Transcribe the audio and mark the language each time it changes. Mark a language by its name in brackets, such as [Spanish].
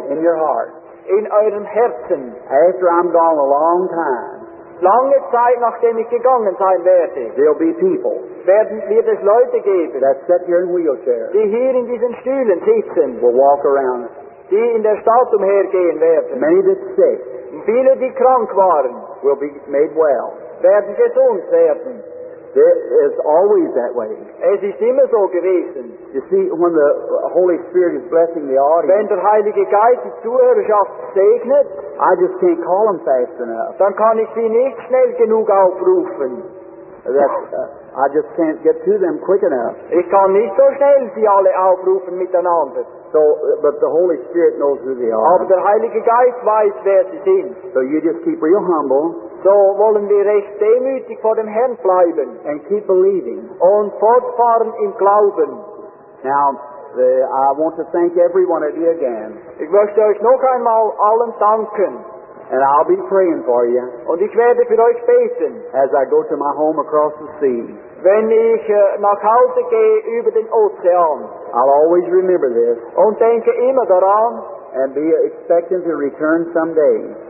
[English] In your heart. [German] In eurem Herzen. [English] After I'm gone a long time. [German] Lange Zeit, nachdem ich gegangen sein werde, [English] there'll be people, [German] werden wird es Leute geben, [English] that sit here in wheelchairs, [German] die hier in diesen Stühlen sitzen, [English] will walk around, [German] die in der Stadt umhergehen werden. [English] Many that sick, [German] viele, die krank waren, [English] will be made well, [German] werden gesund werden. [English] It is always that way. [German] Es ist immer so gewesen. [English] You see, when the Holy Spirit is blessing the audience, [German] wenn der Heilige Geist die Zuhörerschaft segnet, [English] I just can't call them fast enough. [German] Dann kann ich sie nicht schnell genug aufrufen. [English] I just can't get to them quick enough. [German] Ich kann nicht so schnell sie alle aufrufen miteinander. [English] So, but the Holy Spirit knows who they are. [German] Aber der Heilige Geist weiß, wer sie sind. [English] So you just keep real humble. [German] So wollen wir recht demütig vor dem Herrn bleiben. [English] And keep believing. [German] Und fortfahren im Glauben. [English] Now, I want to thank every one of you again. [German] Ich möchte euch noch einmal allen danken. [English] And I'll be praying for you. [German] Und ich werde für euch beten. [English] As I go to my home across the sea. [German] Wenn ich nach Hause gehe über den Ozean. [English] I'll always remember this. [German] Und denke immer daran. [English] And be expecting to return someday.